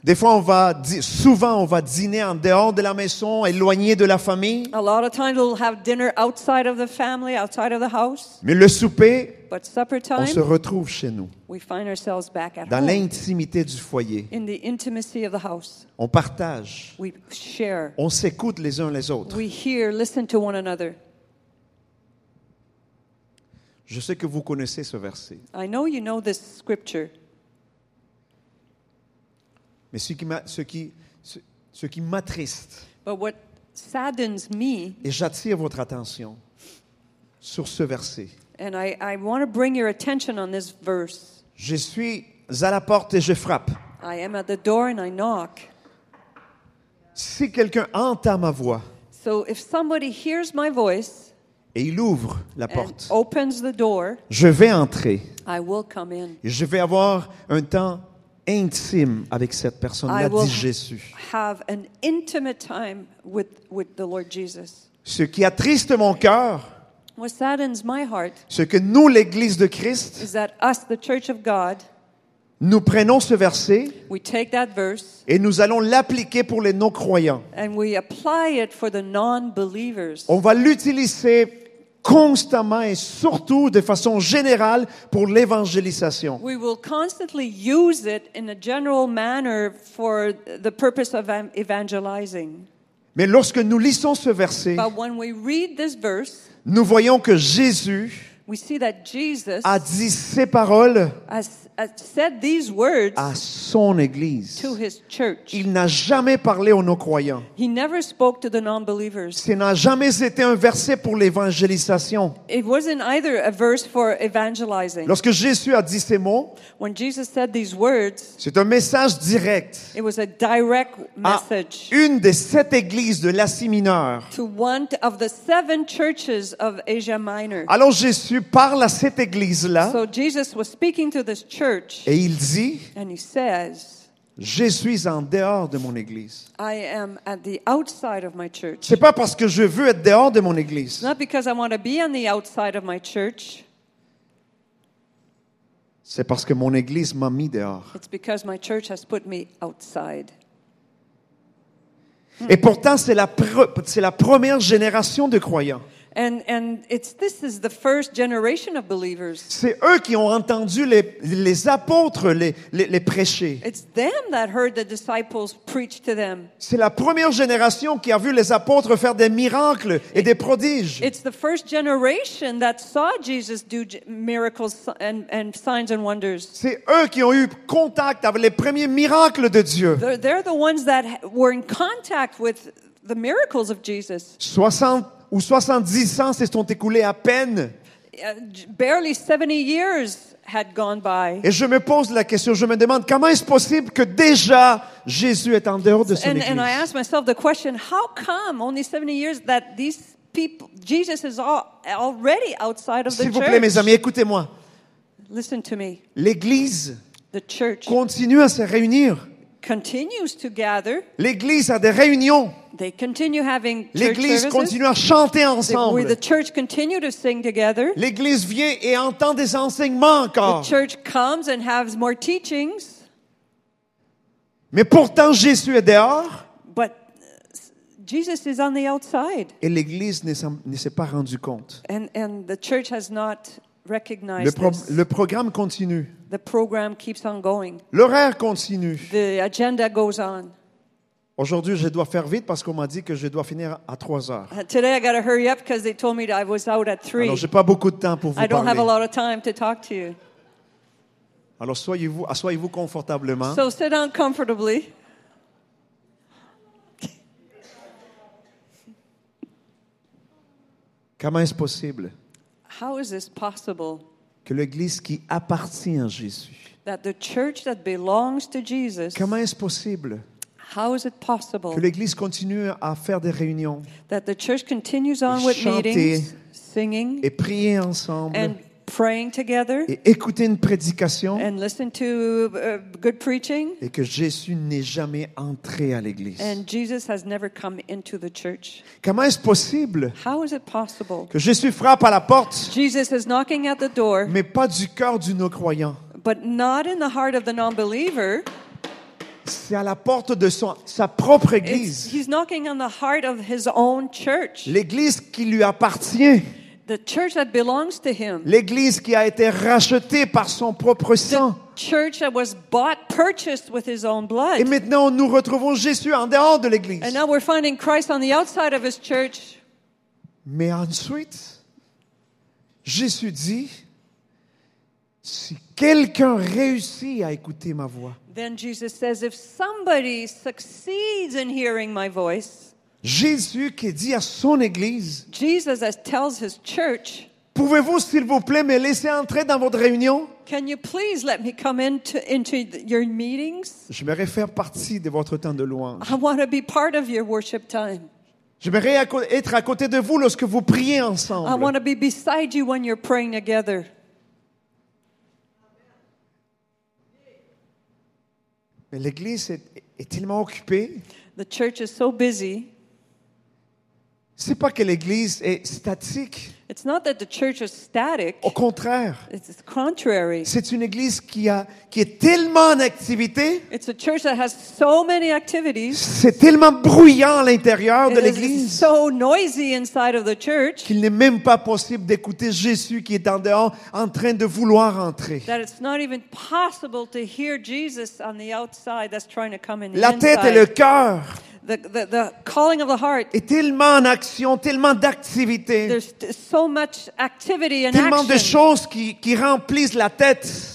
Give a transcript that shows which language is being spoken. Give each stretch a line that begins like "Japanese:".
French: Des fois, on va dîner en dehors de la maison, éloigné de la famille.
English: A lot of times we'll have dinner outside of the family, outside of the house.
French: Mais le souper,
English: but supper time,
French: on se retrouve chez nous.
English: We find ourselves back at
French: dans
English: home.
French: Dans l'intimité du foyer.
English: In the intimacy of the house.
French: On partage.
English: We share.
French: On s'écoute les uns les autres.
English: We hear, listen to one another.
French: Je sais que vous connaissez ce verset.
English: I know you know this scripture.
French: Mais ce qui m'attriste,
English: but what saddens me,
French: et j'attire votre attention sur ce verset.
English: And I want to bring your attention on this verse.
French: Je suis à la porte et je frappe.
English: I am at the door and I knock.
French: Si quelqu'un entend ma voix,
English: so if somebody hears my voice,
French: et il ouvre la porte,
English: and opens the door,
French: je vais entrer.
English: I will come in.
French: Et je vais avoir un temps intime avec cette personne-là, dit Jésus.
English: Have an intimate time with the Lord Jesus.
French: Ce qui attriste mon cœur,
English: What saddens my heart,
French: ce que nous, l'Église de Christ,
English: is that us, the Church of God,
French: nous prenons ce verset
English: we take that verse,
French: et nous allons l'appliquer pour les non-croyants.
English: And we apply it for the non-believers.
French: On va l'utiliser constamment et surtout de façon générale pour l'évangélisation.
English: We will constantly use it in a general manner for the purpose of evangelizing.
French: Mais lorsque nous lisons ce verset,
English: but when we read this verse,
French: nous voyons que Jésus,
English: we see that Jesus,
French: a dit ces paroles
English: said these words
French: à son Église.
English: To his church.
French: Il n'a jamais parlé aux non-croyants.
English: He never spoke to the non-believers.
French: Ce n'a jamais été un verset pour l'évangélisation.
English: It wasn't either a verse for evangelizing.
French: Lorsque Jésus a dit ces mots,
English: when Jesus said these words,
French: c'est un message direct,
English: it was a direct message
French: à une des sept églises de l'Asie mineure.
English: To one of the seven churches of Asia Minor.
French: Alors Jésus parle à cette église-là.
English: So Jesus was speaking to this church,
French: et il dit,
English: and he says,
French: je suis en dehors de mon église.
English: I am at the outside of my church.
French: C'est pas parce que je veux être dehors de mon église.
English: Not because I want to be on the outside of my church.
French: C'est parce que mon église m'a mis dehors.
English: It's because my church has put me outside.
French: Et pourtant, c'est la première génération de croyants.
English: And this is the first generation of believers.
French: C'est eux qui ont entendu les apôtres les prêcher.
English: It's them that heard the disciples preach to them.
French: C'est la première génération qui a vu les apôtres faire des miracles et des prodiges.
English: It's the first generation that saw Jesus do miracles and signs and wonders.
French: C'est eux qui ont eu contact avec les premiers miracles de Dieu.
English: They're the ones that were in contact with the miracles of Jesus.
French: 70 ans se sont écoulés à peine.
English: Barely 70 years had gone by.
French: Et je me pose la question, je me demande, comment est-ce possible que déjà Jésus est en dehors de son
English: and,
French: église?
English: And I ask myself the question, how come only 70 years that these people, Jesus is already outside of the
French: church? S'il vous plaît, mes amis, écoutez-moi.
English: Listen to me.
French: L'église,
English: the church,
French: continue à se réunir.
English: Continues to gather.
French: L'église a des réunions.
English: They continue having church
French: l'église
English: services.
French: Continue à chanter ensemble.
English: The church continue to sing together.
French: L'église vient et entend des enseignements encore.
English: The church comes and has more teachings.
French: Mais pourtant Jésus est dehors.
English: But Jesus is on the outside.
French: Et l'église ne s'est pas rendu compte.
English: And the church has not recognized
French: le programme continue.
English: The program keeps on going.
French: L'horaire continue.
English: The agenda goes on.
French: Aujourd'hui, je dois faire vite parce qu'on m'a dit que je dois finir à 3 heures.
English: Today I got to hurry up because they told me that I was out at 3.
French: Alors, j'ai pas beaucoup de temps pour vous parler.
English: I don't have a lot of time to talk to you.
French: Alors, asseyez-vous confortablement.
English: So sit down comfortably.
French: Comment est-ce possible?
English: How is this possible?
French: Que l'église qui appartient à Jésus.
English: That the church that belongs to Jesus.
French: Comment est-ce possible?
English: How is it possible?
French: Que l'église continue à faire des réunions.
English: That the church continues on with meetings, singing,
French: et prier ensemble,
English: and praying together,
French: et écouter une prédication,
English: and listen to good preaching,
French: et que Jésus n'est jamais entré à l'église.
English: And Jesus has never come into the church.
French: Comment est-ce possible?
English: How is it possible?
French: Que Jésus frappe à la porte,
English: Jesus is knocking at the door,
French: mais pas du cœur du non-croyant.
English: But not in the heart of the non-believer.
French: C'est à la porte de sa propre église.
English: He's knocking on the heart of his own church.
French: L'église qui lui appartient.
English: The church that belongs to him.
French: L'église qui a été rachetée par son propre sang.
English: The church that was bought, purchased with his own blood.
French: Et maintenant, nous retrouvons Jésus en dehors de l'église.
English: And now we're finding Christ on the outside of his church.
French: Mais ensuite, Jésus dit, si quelqu'un réussit à écouter ma voix,
English: then Jesus says, if somebody succeeds in hearing my voice,
French: Jésus qui dit à son église,
English: Jesus tells his church,
French: pouvez-vous s'il vous plaît me laisser entrer dans votre réunion?
English: Can you please let me come into your meetings?
French: Je voudrais faire partie de votre temps de louange.
English: I want to be part of your worship time.
French: Je voudrais être à côté de vous lorsque vous priez ensemble.
English: I want to be beside you when you're praying together.
French: Mais l'église est tellement occupée.
English: The church is so busy.
French: C'est pas que l'église est statique.
English: It's not that the church is static.
French: Au contraire.
English: It's contrary.
French: C'est une église qui est tellement en activité.
English: It's a church that has so many activities.
French: C'est tellement bruyant à l'intérieur de l'église.
English: It is so noisy inside of the church.
French: Qu'il n'est même pas possible d'écouter Jésus qui est en dehors en train de vouloir entrer.
English: That it's not even possible to hear Jesus on the outside that's trying to come in.
French: La tête et le cœur.
English: The calling of the heart.
French: Est tellement en action, tellement d'activité.
English: There's so much activity and
French: tellement
English: action.
French: De choses qui remplissent la tête.